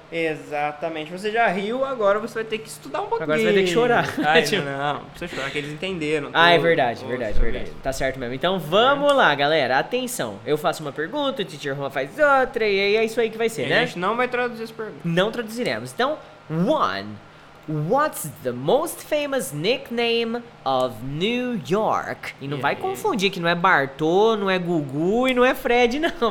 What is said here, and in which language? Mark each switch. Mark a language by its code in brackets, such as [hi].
[pt] Exatamente. Você já riu, agora você vai ter que estudar um pouquinho. Agora você vai ter que chorar. Ai, não, não precisa chorar, que eles entenderam. Ah, é verdade, verdade, verdade. Tá certo mesmo. Então vamos lá, galera. Atenção. Eu faço uma pergunta, o Teacher Roma faz outra, e aí é isso aí que vai ser, né? A gente não vai traduzir as perguntas. Não traduziremos. Então, one. [en] What's the most famous nickname of New York? [pt] E não vai confundir que não é Bartô, não é Gugu e não é Fred, não.